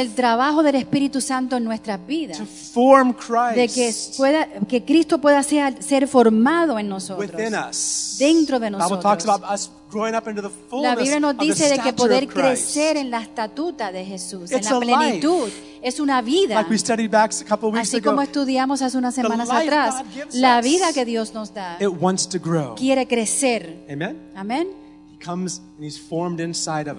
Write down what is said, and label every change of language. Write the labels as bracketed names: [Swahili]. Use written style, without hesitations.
[Spanish] El trabajo del Espíritu Santo en nuestras vidas. [English] To form Christ. [Spanish] De que Cristo pueda ser formado en nosotros. [English] Within us. [Spanish] Dentro de nosotros. [English] The Bible talks about us growing up into the fullness of Christ. [Spanish] La Biblia nos dice de que poder crecer en la estatura de Jesús, [English] it's [Spanish] en la plenitud. [English] Life. [Spanish] Es una vida. [English] Like we studied back a couple of weeks [Spanish] así [English] ago. [Spanish] Así como estudiamos hace unas semanas [English] the [Spanish] atrás. [English] God gives [Spanish] la vida que Dios nos da. [English] It wants to grow. [Spanish] Quiere crecer. [English] Amen. [Spanish] Amen. [English] Comes and he's formed inside of us.